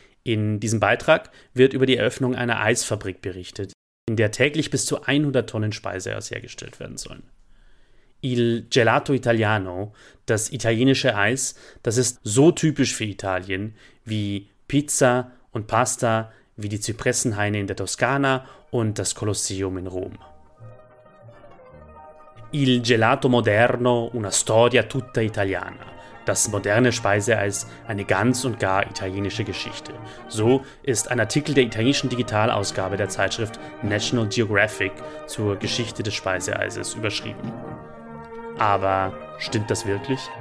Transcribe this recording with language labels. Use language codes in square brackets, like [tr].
[de] In diesem Beitrag wird über die Eröffnung einer Eisfabrik berichtet, in der täglich bis zu 100 Tonnen Speiseeis hergestellt werden sollen. [it] Il gelato italiano, [de] das italienische Eis, das ist so typisch für Italien wie Pizza und Pasta, wie die Zypressenhaine in der Toskana und das Kolosseum in Rom. [it] Il gelato moderno, una storia tutta italiana. [de] Das moderne Speiseeis, eine ganz und gar italienische Geschichte. So ist ein Artikel der italienischen Digitalausgabe der Zeitschrift National Geographic zur Geschichte des Speiseeises überschrieben. Aber stimmt das wirklich?